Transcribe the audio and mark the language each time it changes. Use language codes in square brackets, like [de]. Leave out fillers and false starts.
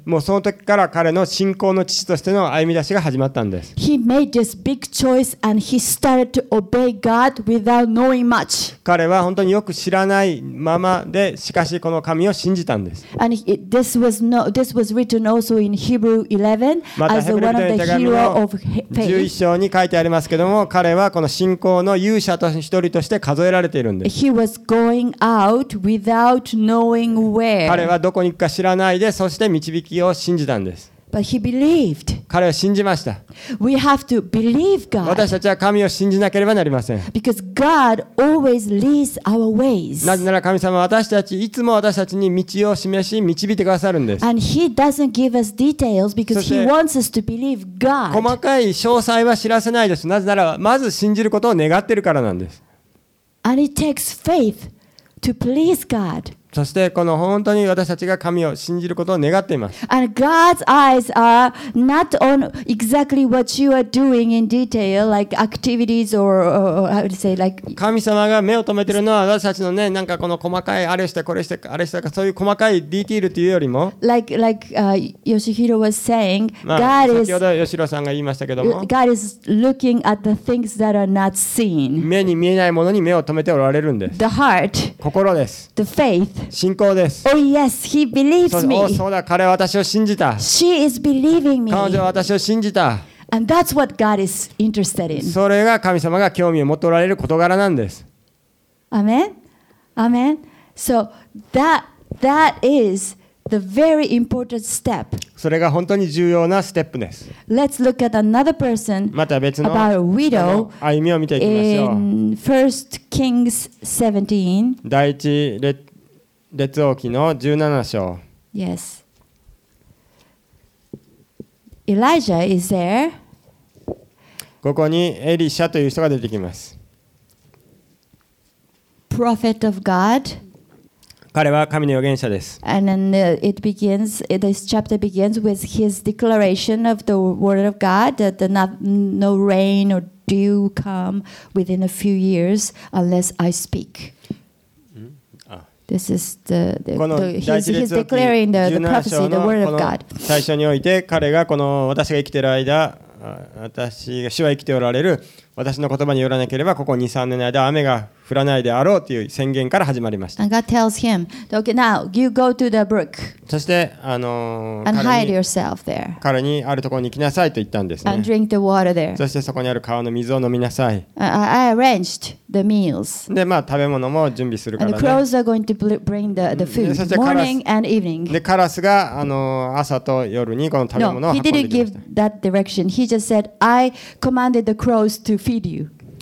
[ja] もうその時から彼の信仰の父としての歩み出しが始まったんです。 [en] He made this big choice and he started to obey God without knowing much. [ja] 彼は本当によく知らないままで、しかしこの神を信じたんです。 [en] And this was no, this was written also in Hebrew 11 as one of the hero of faith. [ja] 11章に書いてありますけども、彼はこの信仰の勇者と一人として数えられているんです。 [en] He was going out without knowing where. [ja] 彼はどこに行くか知らないで、そして導きを信じたんです。 [en] But he believed. [ja] 彼は信じました。 [en] We have to believe God. [ja] 私たちは神を信じなければなりません。 [en] Because God always leads our ways. [ja] なぜなら神様は私たち、いつも私たちに道を示し、導いてくださるんです。 [en] And he doesn't give us details because he wants us to believe God. [ja] 細かい詳細は知らせないです。なぜなら、まず信じることを願っているからなんです。 [en] And it takes faith to please God. [ja] そしてこの本当に私たちが神を信じることを願っています。 [en] And God's eyes are not on exactly what you are doing in detail, like activities or how to say like. [ja] 神様が目を留めているのは私たちのね、なんかこの細かいあれしてこれしてあれしたかそういう細かいディティールというよりも。 [en] Like Yoshihiro was saying, God is. [ja] 先ほど吉弘さんが言いましたけども。 [en] God is looking at the things that are not seen. [ja] 目に見えないものに目を留めておられるんです。 [en] The heart. [ja] 心です。 [en] The faith. [ja] 信仰です。 [en] Oh, yes, he believes me. [ja] そうだ、彼は私を信じた。 [en] She is believing me. [ja] 彼女は私を信じた。 [en] And that's what God is interested in. [ja] それが神様が興味を持っておられる事柄なんです。 [en] Amen? Amen? So that is the very important step. [ja] それが本当に重要なステップです。 [en] Let's look at another person about a widow in 1 Kings 17. [ja] 第一列王記の17章。 [en] Yes. Elijah is there. [ja] ここにエリシャという人が出てきます。 [en] Prophet of God. [ja] 彼は神の預言者です。 [en] And then it begins. This chapter begins with his declaration of the word of God that no rain or dew come within a few years unless I speak. This is he's declaring the prophecy, the word of God. [ja] 最初において彼がこの私が生きている間、私が主は生きておられる私の言葉によらなければここ2、3年の間雨が降らないであろうという宣言から始まりました。 [en] And God tells him, okay, now you go to the brook. [ja] そして [en] And hide yourself there. [ja] 彼にあるところに行きなさいと言ったんですね。 [en] And drink the water there. [ja] そしてそこにある川の水を飲みなさい。 [en] I arranged the meals. [ja] で、まあ食べ物も準備するからね。 [en] And the crows are going to bring the food morning and evening. [ja] で、カラスが朝と夜にこの食べ物を運んできました [en] 。No, he didn't give that direction. He just said, I commanded the crows to feed you.